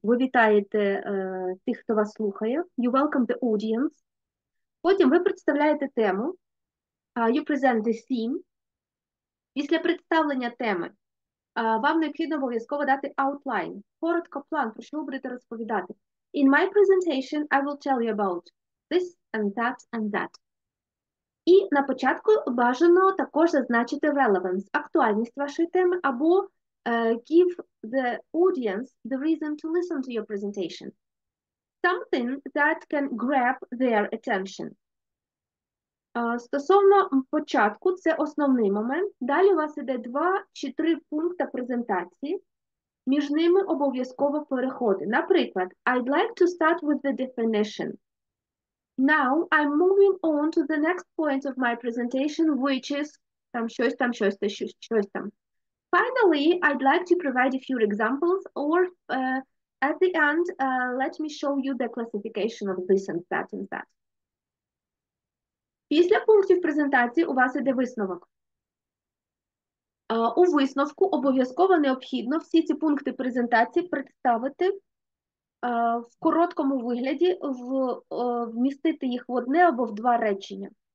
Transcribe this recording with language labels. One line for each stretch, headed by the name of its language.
Ukrainian: Ви вітаєте тих, хто вас слухає.
English: You welcome the audience.
Ukrainian: Потім ви представляєте тему.
English: You present the theme.
Ukrainian: Після представлення теми вам необхідно обов'язково дати outline, коротко план, про що ви будете розповідати.
English: In my presentation I will tell you about this and that and that.
Ukrainian: І на початку бажано також зазначити relevance, актуальність вашої теми, або
English: give the audience the reason to listen to your presentation. Something that can grab their attention.
Ukrainian: Стосовно початку, це основний момент. Далі у вас іде два чи три пункти презентації. Між ними обов'язково переходи. Наприклад,
English: I'd like to start with the definition. Now I'm moving on to the next point of my presentation, which is
Ukrainian: там щось там, щось там, щось, щось там.
English: Finally, I'd like to provide a few examples, or at the end, let me show you the classification of this and that and that.
Ukrainian: Після пунктів презентації у вас іде висновок. У висновку обов'язково необхідно всі ці пункти презентації представити в короткому вигляді, вмістити їх в одне або в два речення.